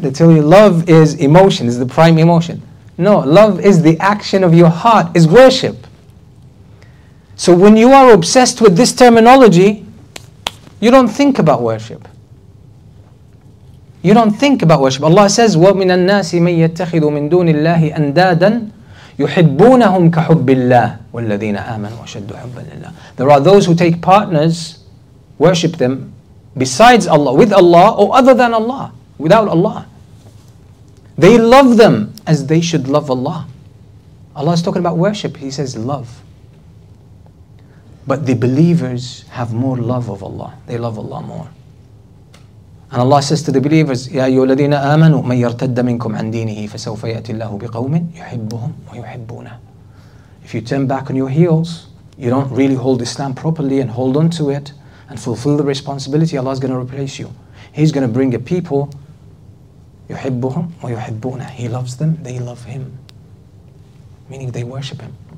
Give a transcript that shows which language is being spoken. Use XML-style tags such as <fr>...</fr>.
<en>They tell you love is emotion, is the prime emotion. No, love is the action of your heart, is worship. So when you are obsessed with this terminology, you don't think about worship. You don't think about worship. Allah says,</en> <ar>وَمِنَ النَّاسِ مَنْ يَتَّخِذُ مِنْ دُونِ اللَّهِ أَنْدَادًا يُحِبُّونَهُمْ كَحُبِّ اللَّهِ وَالَّذِينَ آمَنُوا وَشَدُّ حُبَّ لِلَّهِ.</ar> <en>There are those who take partners, worship them, besides Allah, with Allah, or other than Allah, without Allah. They love them as they should love Allah. Allah is talking about worship. He says love. But the believers have more love of Allah. They love Allah more. And Allah says to the believers,</en> <ar>يَا أَيُّهَا الَّذِينَ آمَنُوا مَنْ يَرْتَدَّ مِنْكُمْ عَنْ دِينِهِ فَسَوْفَ يَأْتِ اللَّهُ بِقَوْمٍ يُحِبُّهُمْ وَيُحِبُّونَ.</ar> <en>If you turn back on your heels, you don't really hold Islam properly and hold on to it and fulfill the responsibility, Allah is going to replace you. He's going to bring a people,</en> <ar>يُحِبُّهُمْ وَيُحِبُّونَ.</ar> <en>He loves them, they love him. Meaning they worship him.</en>